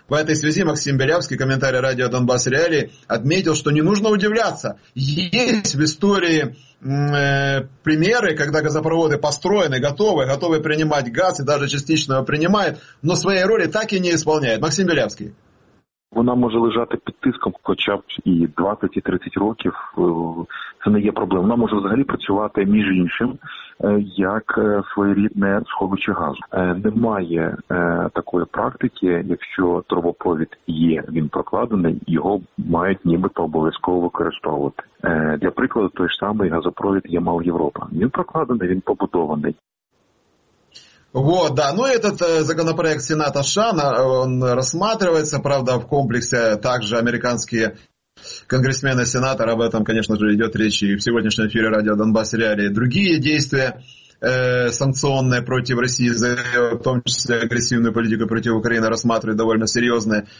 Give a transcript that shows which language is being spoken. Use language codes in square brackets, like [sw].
[ru] В этой связи Максим Белявский, комментарий радио «Донбасс Реалии», отметил, что не нужно удивляться. Есть в истории примеры, когда газопроводы построены, готовы, готовы принимать газ и даже частично его принимают, но своей роли так и не исполняют. Максим Белявский. [uk] Вона може лежати під тиском хоча б і 20, і 30 років. Це не є проблемою. Вона може взагалі працювати, між іншим, як своєрідне сховище газу. Немає такої практики, якщо трубопровід є, він прокладений, його мають нібито обов'язково використовувати. Для прикладу, той ж самий газопровід «Ямал-Європа». Він прокладений, він побудований. [ru] Вот, да. Ну, этот законопроект Сената США, он рассматривается, правда, в комплексе также американские конгрессмены, сенаторы, об этом, конечно же, идет речь и в сегодняшнем эфире радио «Донбасс Реалии». Другие действия санкционные против России, в том числе агрессивную политику против Украины, рассматривают довольно серьезные.